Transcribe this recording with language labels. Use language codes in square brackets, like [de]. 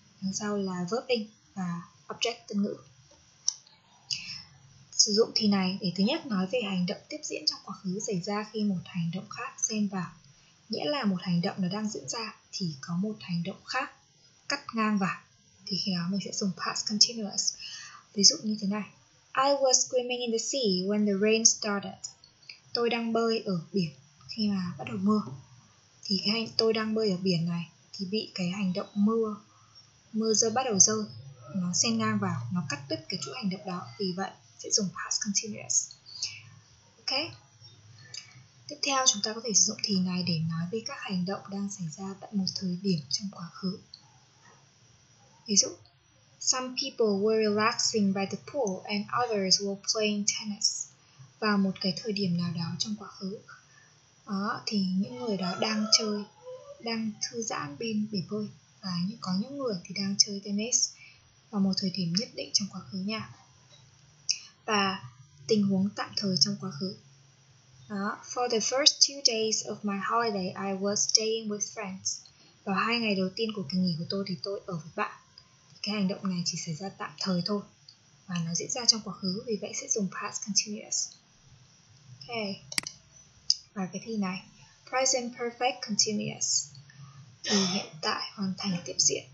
[vi] Đằng sau là verb in và object tân ngữ. Sử dụng thì này để thứ nhất nói về hành động tiếp diễn trong quá khứ xảy ra khi một hành động khác xen vào. Nghĩa là một hành động nó đang diễn ra thì có một hành động khác cắt ngang vào, thì khi đó mình sẽ dùng past continuous. Ví dụ như thế này: [en] I was swimming in the sea when the rain started. [vi] Tôi đang bơi ở biển khi mà bắt đầu mưa. Thì cái hành tôi đang bơi ở biển này thì bị cái hành động mưa rơi bắt đầu rơi nó xen ngang vào, nó cắt đứt cái chuỗi hành động đó. Vì vậy sẽ dùng past continuous. Ok. Tiếp theo chúng ta có thể sử dụng thì này để nói về các hành động đang xảy ra tại một thời điểm trong quá khứ. Ví dụ, [en] some people were relaxing by the pool and others were playing tennis. [vi] Vào một cái thời điểm nào đó trong quá khứ, đó, thì những người đó đang chơi, đang thư giãn bên bể bơi. Và có những người thì đang chơi tennis vào một thời điểm nhất định trong quá khứ nha. Và tình huống tạm thời trong quá khứ. Đó, [en] for the first two days of my holiday, I was staying with friends. [vi] Vào hai ngày đầu tiên của kỳ nghỉ của tôi thì tôi ở với bạn. Cái hành động này chỉ xảy ra tạm thời thôi và nó diễn ra trong quá khứ, vì vậy sẽ dùng past continuous. Ok. Và cái thi này, present perfect continuous, thì hiện tại hoàn thành tiếp diễn.